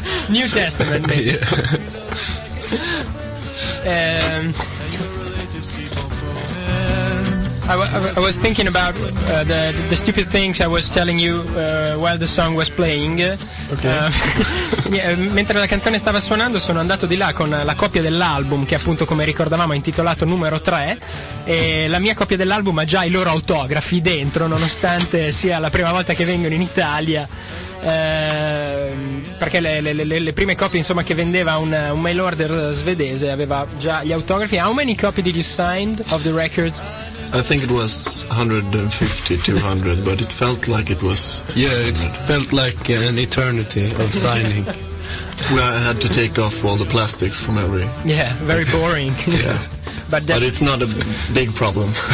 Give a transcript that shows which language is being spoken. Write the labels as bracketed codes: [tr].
[en] New Testament, maybe. Yeah. I was thinking about the stupid things I was telling you while the song was playing. Okay. [it] Mentre la canzone stava suonando, sono andato di là con la copia dell'album, che appunto, come ricordavamo, è intitolato Numero 3, e la mia copia dell'album ha già i loro autografi dentro, nonostante sia la prima volta che vengono in Italia. Perché le prime copie, insomma, che vendeva un mail order svedese, aveva già gli autografi. [en] How many copies did you sign of the records? I think it was 150, 200, but it felt like it was... Yeah, it felt like an eternity of signing. Where I had to take off all the plastics from every... Yeah, very boring. Yeah. But it's not a big problem.